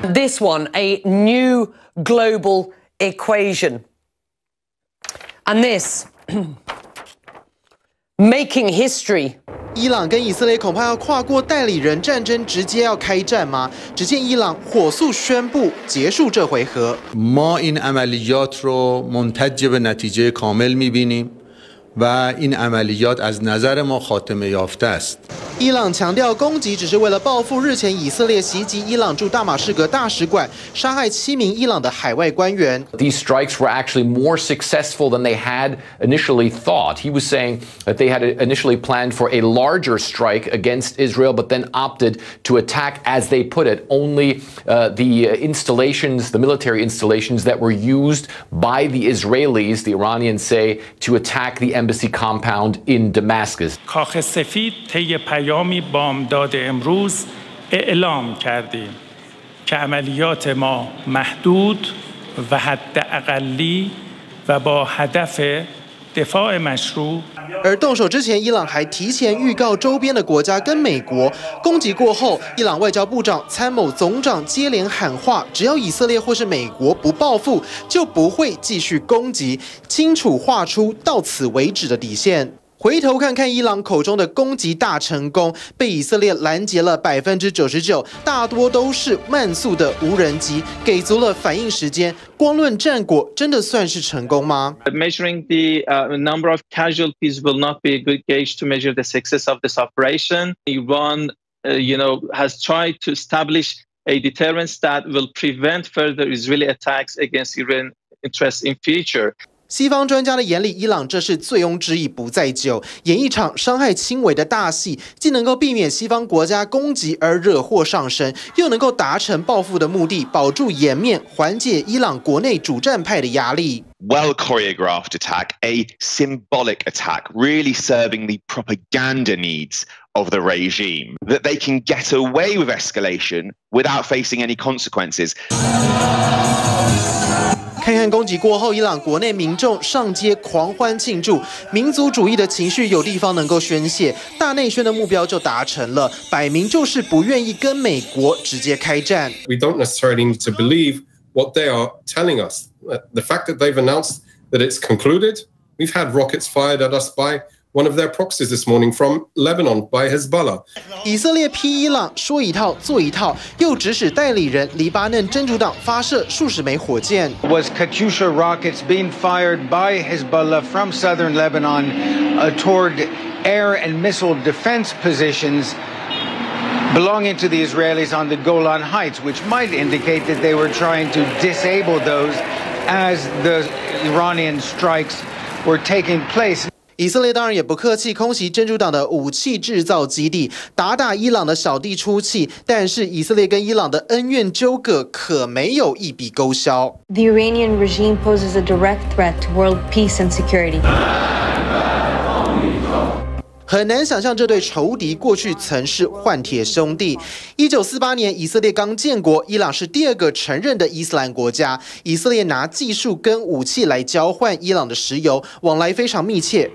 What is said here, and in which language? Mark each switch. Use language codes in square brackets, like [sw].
[en] This one, a new global equation. And this, making history. [zh] 伊朗跟以色列恐怕要跨过代理人战争，直接要开战吗？只见伊朗火速宣布结束这回合。 [fa] ما این عملیات رو منتج به نتیجه کامل می‌بینیم. و این عملیات از نظر ما خاتمه یافته است. [zh] 伊朗强调攻击只是为了报复日前以色列袭击伊朗驻大马士革大使馆，杀害7名伊朗的海外官员。 [en] These strikes were actually more successful than they had initially thought. He was saying that they had initially planned for a larger strike against Israel, but then opted to attack, as they put it, only the installations, the military installations that were used by the Israelis, the Iranians say, to attack the embassy compound in Damascus. [fa] کاخ سفید طی پیامی بامداد امروز اعلام کردیم که عملیات ما محدود و حداقلی و با هدف دفاع مشروع [zh] 而动手之前，伊朗还提前预告周边的国家跟美国。攻击过后，伊朗外交部长、参谋总长接连喊话，只要以色列或是美国不报复，就不会继续攻击，清楚划出到此为止的底线。回头看看伊朗口中的攻击大成功，被以色列拦截了99%，大多都是慢速的无人机，给足了反应时间。光论战果，真的算是成功吗 [en] ？Measuring the number of casualties will not be a good gauge to measure the success of this operation. Iran, you know, has tried to establish a deterrence that will prevent further Israeli attacks against Iran interests in future. [zh] 西方专家的眼里，伊朗这是醉翁之意不在酒，演一场伤害轻微的大戏，既能够避免西方国家攻击而惹祸上身，又能够达成报复的目的，保住颜面，缓解伊朗国内主战派的压力。 [en] Well choreographed attack, a symbolic attack, really serving the propaganda needs of the regime, that they can get away with escalation without facing any consequences. [zh] 看看攻击过后，伊朗国内民众上街狂欢庆祝，民族主义的情绪有地方能够宣泄，大内宣的目标就达成了，摆明就是不愿意跟美国直接开战。 [en] We don't necessarily need to believe what they are telling us. The fact that they've announced that it's concluded, we've had rockets fired at us by one of their proxies this morning from Lebanon by Hezbollah. [zh] 以色列批伊朗说一套做一套，又指使代理人黎巴嫩真主党发射数十枚火箭。 [en] Was Katyusha rockets being fired by Hezbollah from southern Lebanon toward air and missile defense positions belonging to the Israelis on the Golan Heights, which might indicate that they were trying to disable those as the Iranian strikes were taking place. [zh] 以色列当然也不客气，空袭真主党的武器制造基地，打打伊朗的小弟出气。但是以色列跟伊朗的恩怨纠葛可没有一笔勾销。 [en] The Iranian regime poses a direct threat to world peace and security. [zh] 很难想象这对仇敌过去曾是换铁兄弟。 1948年以色列刚建国，伊朗是第二个承认的伊斯兰国家。以色列拿技术跟武器来交换伊朗的石油，往来非常密切。